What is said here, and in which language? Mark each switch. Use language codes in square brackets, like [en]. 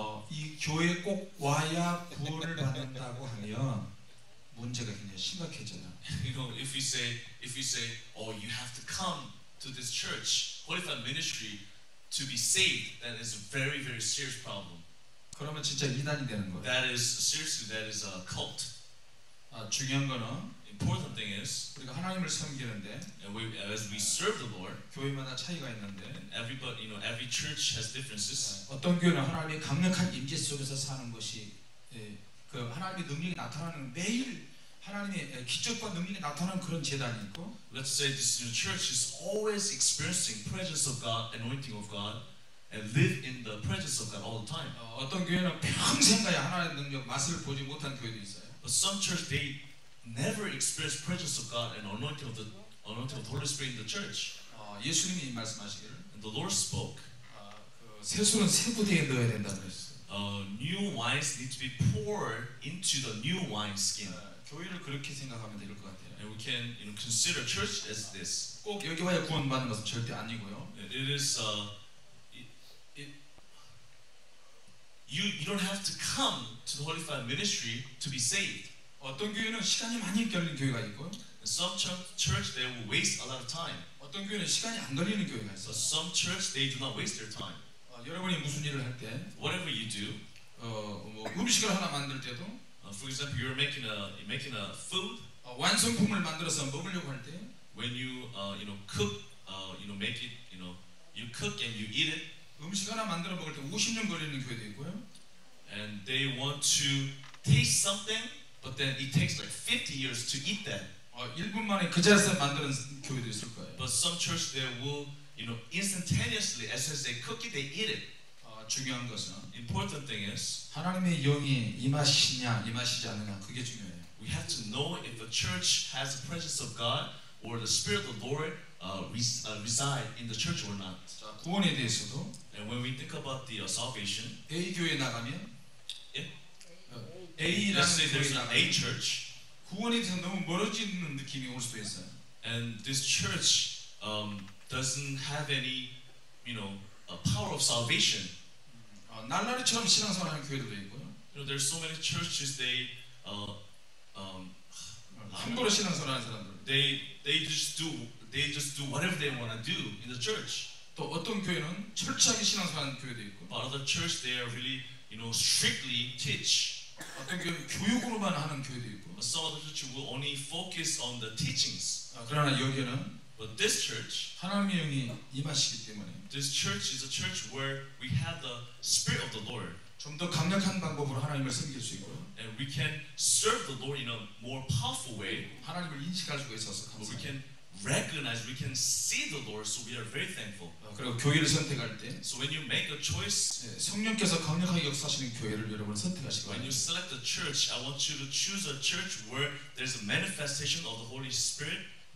[ko] 이 교회 꼭 와야 구원을 받는다고 하면 문제가 굉장히 심각해져요. [en] You know, if we say, oh, you have to come to this church, qualified ministry, to be saved, that is a very, very serious problem. [ko] 그러면 진짜 이단이 되는 거예요. [en] That is seriously, that is a cult. [ko] 중요한 거는 [en] important thing is [ko] 우리가 하나님을 섬기는데 [en] as we serve the Lord [ko] 교회마다 차이가 있는데 [en] everybody you know every church has differences [ko] 어떤 교회는 하나님의 강력한 임재 속에서 사는 것이 그 하나님의 능력이 나타나는 매일 하나님의 기적과 능력이 나타나는 그런 제단이 있고 [en] let's say this church is always experiencing presence of God anointing of God and live in the presence of God all the time [ko] 어떤 교회는 평생가야 하나님의 능력 맛을 보지 못한 교회도 있어요 [en] But some church they never experience presence of God and anointing of the Holy Spirit in the church. [ko] 예수님이 말씀하시기를. [en] And the Lord spoke. [ko] 새수는 새 부대에 넣어야 된다 그랬어. [en] New wines need to be poured into the new wine skin. [ko] 교회를 그렇게 생각하면 될 것 같아요. [en] And we can you know consider church as this. [ko] 꼭 여기 와야 구원받는 것은 절대 아니고요. [en] It is you don't have to come to the Holy Fire Ministry to be saved. [ko] 어떤 교회는 시간이 많이 걸리는 교회가 있고 [en] Some church they will waste a lot of time. [ko] 어떤 교회는 시간이 안 걸리는 교회가 있어. [en] Some church they do not waste their time. [ko] 여러분이 무슨 일을 할 때 [en] whatever you do [ko] 뭐 음식을 하나 만들 때도 [en] for example you're making a food [ko] 완성품을 만들어서 먹으려고 할 때 [en] when you you know cook you know make it you know you cook and you eat it [ko] 음식 하나 만들어 먹을 때 50년 걸리는 교회도 있고요. [en] And they want to taste something, but then it takes like 50 years to eat that. [ko] 1분 만에 그 자리에서 만드는 교회도 있을 거예요. [en] But some church they will, you know, instantaneously as soon as they cook it, they eat it. [ko] 중요한 것은 [en] important thing is [ko] 하나님의 영이 임하시냐 임하시지 않느냐 그게 중요해요. [en] We have to know if the church has the presence of God or the Spirit of the Lord. Reside in the church or not? [ko] 자, 구원에 대해서도. [en] And when we think about the salvation, [ko] A 교회 나가면, A라는 교회 나가면, [en] A church, [ko] 구원에서 너무 멀어지는 느낌이 올 수도 있어요. [en] And this church doesn't have any, you know, a power of salvation. [ko] 날라리처럼 신앙생활 하는 교회도 있고요. [en] You know, there's so many churches they [ko] 함부로 신앙생활 하는 사람들. [en] They just do whatever they want to do in the church. [ko] 또 어떤 교회는 철저하게 신앙생활 하는 교회도 있고. [en] But other church they are really, you know, strictly teach. [ko] 어떤 교회는 교육으로만 하는 교회도 있고. [en] Some other church will only focus on the teachings. [ko] 그러나 여기는 [en] But this church, [ko] 하나님의 영이 임하시기 때문에. [en] This church is a church where we have the spirit of the Lord. [ko] 좀 더 강력한 방법으로 하나님을 섬길 수 있고. [en] And we can serve the Lord in a more powerful way. [ko] 하나님을 인식할 수 있어서 감사합니다. [en] We can recognize, we can see the Lord, so we are very thankful. [ko] 그리고 교회를 선택할 때, [en] so when you make a choice, [ko] 성령께서 강력하게 역사하시는 교회를 여러분 선택하시고. [en] When you select a church, I want you to choose a church where there's a manifestation of the Holy Spirit.